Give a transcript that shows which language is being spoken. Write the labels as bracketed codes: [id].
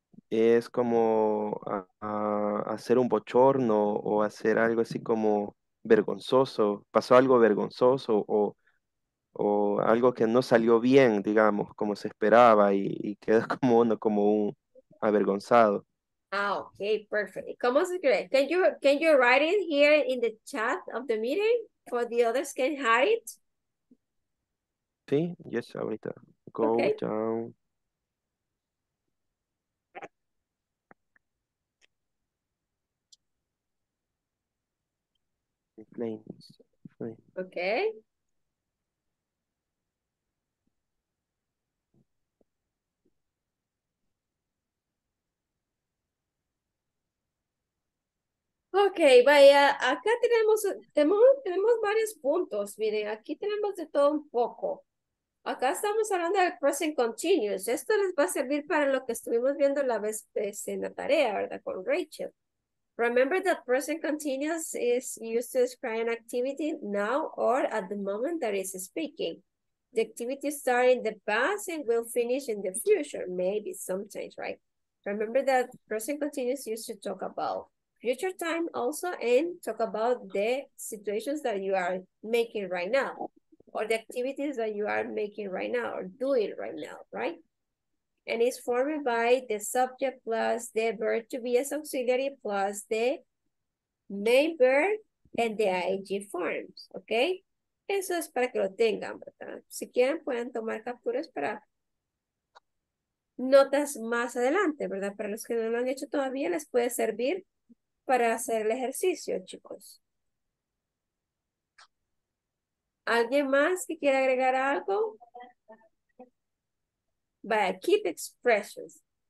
[es] Es como hacer un bochorno o hacer algo así como vergonzoso. Pasó algo vergonzoso o algo que no salió bien, digamos, como se esperaba y quedó como uno como un avergonzado. [en] Ah, okay, perfect. [es] ¿Cómo se cree? [en] Can you write it here in the chat of the meeting for the others can hide it? [es] Sí, [en] yes, [es] ahorita. [en] Go down. Okay. [es] Okay, vaya, acá tenemos varios puntos. Miren, aquí tenemos de todo un poco. Acá estamos hablando del present continuous. Esto les va a servir para lo que estuvimos viendo la vez en la tarea, ¿verdad? Con Rachel. [en] Remember that present continuous is used to describe an activity now or at the moment that is speaking. The activity started in the past and will finish in the future, maybe sometimes, right? Remember that present continuous used to talk about future time also and talk about the situations that you are making right now or the activities that you are making right now or doing right now, right? And it's formed by the subject plus the verb to be as auxiliary plus the main verb and the ing forms, okay? [es] Eso es para que lo tengan, ¿verdad? Si quieren, pueden tomar capturas para notas más adelante, ¿verdad? Para los que no lo han hecho todavía, les puede servir para hacer el ejercicio, chicos. ¿Alguien más que quiera agregar algo? [en] By keep expressions.